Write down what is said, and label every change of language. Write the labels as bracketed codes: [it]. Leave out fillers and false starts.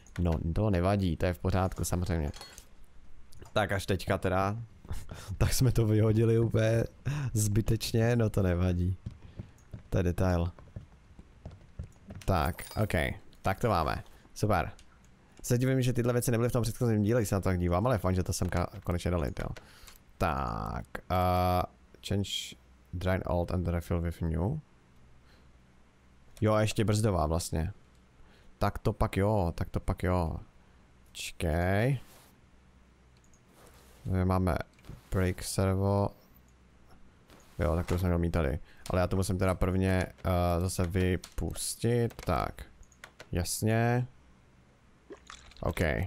[cs] No, to nevadí, to je v pořádku, samozřejmě. Tak až teďka teda, tak jsme to vyhodili úplně zbytečně, no to nevadí. To je detail. Tak, ok. Tak to máme. Super. Se divím, že tyhle věci nebyly v tom předchozím díle, když se na to tak dívám, ale fajn, že to sem konečně dali, jo. Tak. [en] Change drain old and refill with new. [cs] Jo, a ještě brzdová vlastně. Tak to pak jo. Čkej. My máme brake servo. Jo, tak to jsem měl mít tady. Ale já to musím teda prvně zase vypustit. Tak. Jasně. OK.